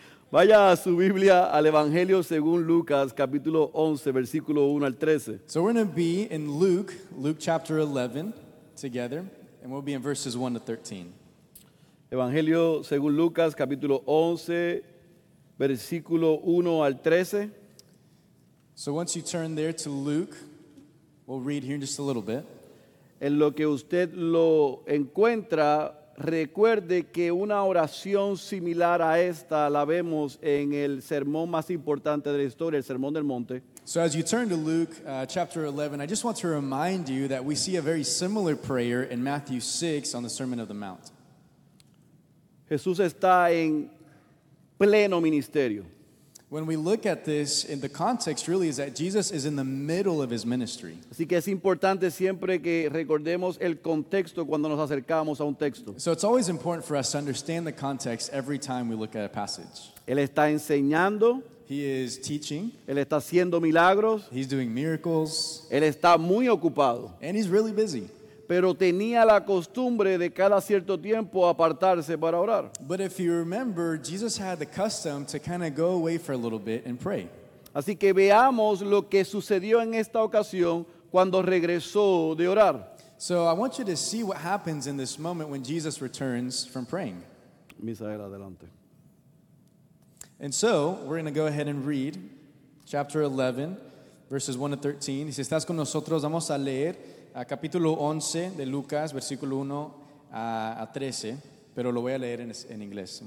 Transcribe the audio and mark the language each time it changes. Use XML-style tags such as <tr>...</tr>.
<es>Vaya a su Biblia al Evangelio según Lucas, capítulo 11, versículo 1 al 13.</es> <en>So we're going to be in Luke chapter 11, together, and we'll be in verses 1 to 13.</en> <es>Evangelio según Lucas, capítulo 11, versículo 1 al 13.</es> <en>So once you turn there to Luke, we'll read here in just a little bit.</en> <es>En lo que usted lo encuentra, recuerde que una oración similar a esta la vemos en el sermón más importante de la historia, el Sermón del Monte.</es> <en>So as you turn to Luke chapter 11, I just want to remind you that we see a very similar prayer in Matthew 6 on the Sermon of the Mount.</en> <es>Jesús está en pleno ministerio.</es> <en>When we look at this, in the context really is that Jesus is in the middle of his ministry.</en> <es>Así que es importante siempre que recordemos el contexto cuando nos acercamos a un texto.</es> <en>So it's always important for us to understand the context every time we look at a passage.</en> <es>Él está enseñando.</es> <en>He is teaching.</en> <es>Él está haciendo milagros.</es> <en>He's doing miracles.</en> <es>Él está muy ocupado.</es> <en>And he's really busy.</en> <es>Pero tenía la costumbre de cada cierto tiempo apartarse para orar.</es> <en>But if you remember, Jesus had the custom to kind of go away for a little bit and pray.</en> <es>Así que veamos lo que sucedió en esta ocasión cuando regresó de orar.</es> <en>So I want you to see what happens in this moment when Jesus returns from praying.</en> <es>Misael, adelante.</es> <en>And so, we're going to go ahead and read chapter 11, verses 1 to 13.</en> <es>Si estás con nosotros, vamos a leer a capítulo 11 de Lucas, versículo 1 a 13, pero lo voy a leer en inglés.</es>